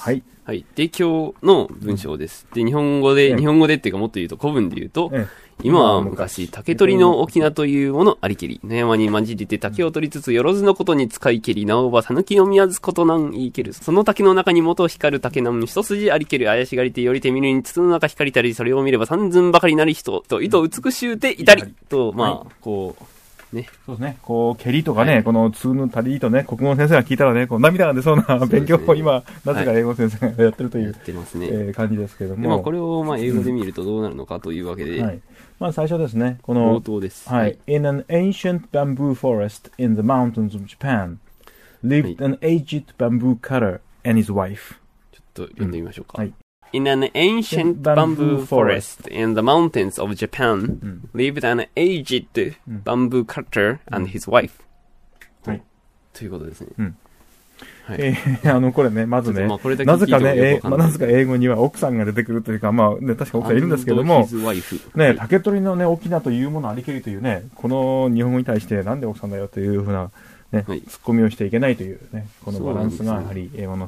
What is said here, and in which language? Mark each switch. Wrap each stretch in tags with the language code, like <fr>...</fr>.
<ja>はい、はい、で今日の文章です。で日本語で、日本語でっていうか、もっと言うと古文で言うと、今は昔竹取の翁というものありけり、野山に混じりて竹を取りつつよろずのことに使いけり、なおばさぬきの宮津ことなんいいける、その竹の中に元光る竹の一筋ありける、怪しがりてよりて見るに筒の中光りたり、それを見れば三寸ばかりなり人と糸美しうていたり、うん、と、まあ、はい、こうね、そうですね、こう蹴りとかね、はい、この通のたりとね、国語先生が聞いたらね、こう涙が出そうな勉強を今、ね、なぜか英語先生がやってるという、はい、ね、感じですけども、まあ、これをまあ英語で見るとどうなるのかというわけで、うん、はい、まあ、最初ですね、この冒頭です、</ja> <en>はい、In an ancient bamboo forest in the mountains of Japan lived an aged bamboo cutter and his wife、は</en> <ja>い、ちょっと読んでみましょうか、うん、はい、</ja> <en>In an ancient bamboo forest in the mountains of Japan、うん、lived an aged bamboo cutter and his wife、う</en> <ja>ん、はい、ということですね、うん、はい、あのこれね、まずね、まあ、これだけ、なぜかね、まあ、なぜか英語には奥さんが出てくるというか、まあね、確か奥さんいるんですけども、ね、竹取のね、翁というものありけりというね、この日本語に対してなんで奥さんだよというふうな、ね、はい、ツッコミをしていけないという、ね、このバランスがやはり英語の</ja>